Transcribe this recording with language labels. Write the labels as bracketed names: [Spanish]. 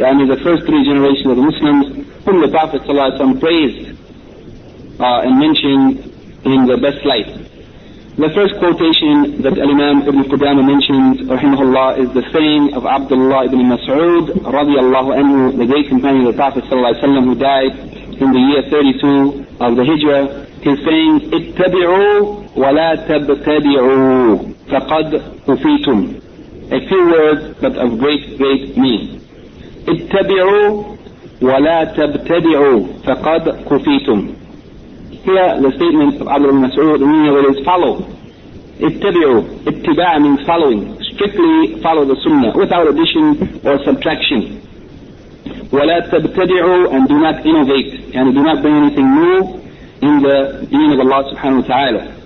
[English] And in the first three generations of the Muslims, whom the Prophet ﷺ praised and mentioned in the best light. The first quotation that Al-Imam Ibn Qudamah mentions, rahimahullah, is the saying of Abdullah ibn Mas'ud, radiallahu anhu, the great companion of the Prophet ﷺ, who died in the year 32 of the Hijrah. [Arabic] His saying, اتبعوا ولا تبتدعوا فقد أفيتم. [English] A few words, but of great, great meaning. [Arabic] اتبعوا ولا تبتدعوا فقد كفيتم. [English] Here the statement of Abdul Mas'ud, the meaning of it is follow. [Arabic] اتبعوا. [English] اتباع means following. Strictly follow the sunnah, without addition or subtraction. [Arabic] ولا تبتدعوا, [English] and do not innovate. And do not bring anything new in the deen of Allah subhanahu wa ta'ala.